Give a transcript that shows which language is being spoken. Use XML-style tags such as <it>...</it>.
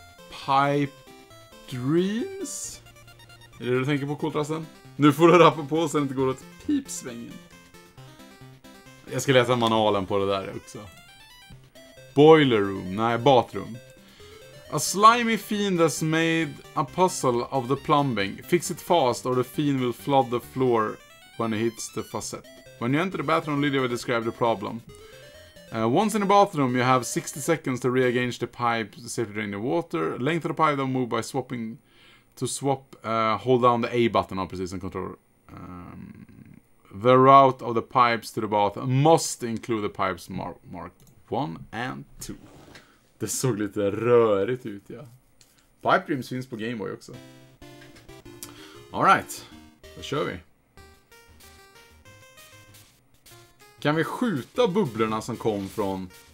<en>Pipe Dreams?</en> <sv>Är det du tänker på, Koltrasten? Nu får du rappa på så det inte går åt pipsvängen. Jag ska läsa manualen på det där också. Boiler room? Nej, bathroom.</sv> <en>A slimy fiend has made a puzzle of the plumbing. Fix it fast or the fiend will flood the floor when it hits the faucet. When you enter the bathroom, Lydia will describe the problem. Once in the bathroom, you have 60 seconds to rearrange the pipe to safely drain the water. Length of the pipe don't move by swapping to swap. Hold down the A button,</en> <sv>precis,</sv> <en>and control. The route of the pipes to the bath must include the pipes marked 1 and 2.</en> <sv>Det såg lite rörigt ut, ja. Pipe Dreams finns på Game Boy också.</sv> <en>All right,</en> <sv>då kör vi. Kan vi skjuta bubblorna som kom från...</sv>